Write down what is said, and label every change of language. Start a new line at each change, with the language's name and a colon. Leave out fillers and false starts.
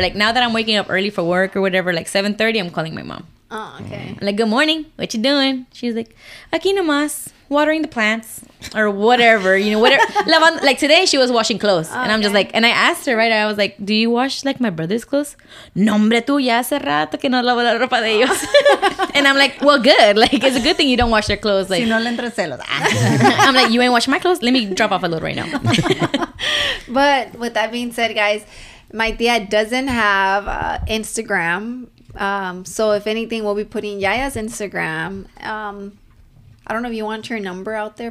English: Like, now that I'm waking up early for work or whatever, like 7:30, I'm calling my mom. Oh, okay. I'm like, "Good morning. What you doing?" She's like, "Aquí nomás. Watering the plants," or whatever, you know, whatever. Like today she was washing clothes. Okay. And I'm just like, and I asked her, right? I was like, "Do you wash like my brother's clothes?"
Spanish: "Nombre tú ya hace rato que no lavo la ropa de ellos."
English: And I'm like, "Well, good. Like, it's a good thing you don't wash their clothes. Like,
Spanish: si no le entre celos."
English: I'm like, "You ain't washing my clothes? Let me drop off a load right now." But with that being said, guys, my tia doesn't have Instagram. So if anything, we'll be putting Yaya's Instagram. I don't know if you want your number out there.